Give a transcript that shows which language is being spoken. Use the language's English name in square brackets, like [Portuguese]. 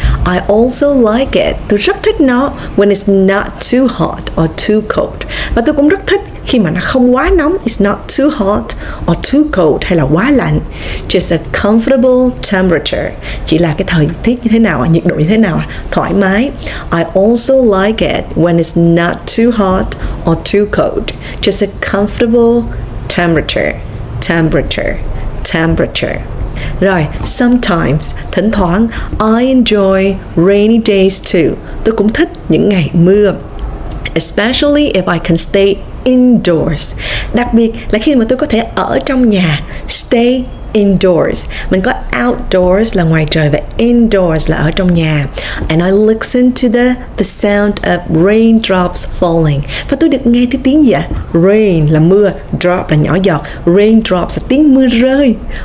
[English] I also like it, [Vietnamese] tôi rất thích nó, [English] when it's not too hot or too cold, [Vietnamese] và tôi cũng rất thích khi mà nó không quá nóng, [English] it's not too hot or too cold, [Vietnamese] hay là quá lạnh, [English] just a comfortable temperature, [Vietnamese] chỉ là cái thời tiết như thế nào, nhiệt độ như thế nào, thoải mái. [English] I also like it when it's not too hot or too cold, just a comfortable temperature, temperature, temperature. Rồi, sometimes, [Vietnamese] thỉnh thoảng, [English] I enjoy rainy days too. [Vietnamese] Tôi cũng thích những ngày mưa. [English] Especially if I can stay indoors. [Vietnamese] Đặc biệt là khi mà tôi có thể ở trong nhà. [English] Stay indoors. [Vietnamese] Mình có outdoors là ngoài trời và indoors là ở trong nhà. [English] And I listen to the sound of raindrops falling. [Vietnamese] Và tôi được nghe thấy tiếng gì ạ? Rain là mưa, drop là nhỏ giọt, raindrops là tiếng mưa rơi.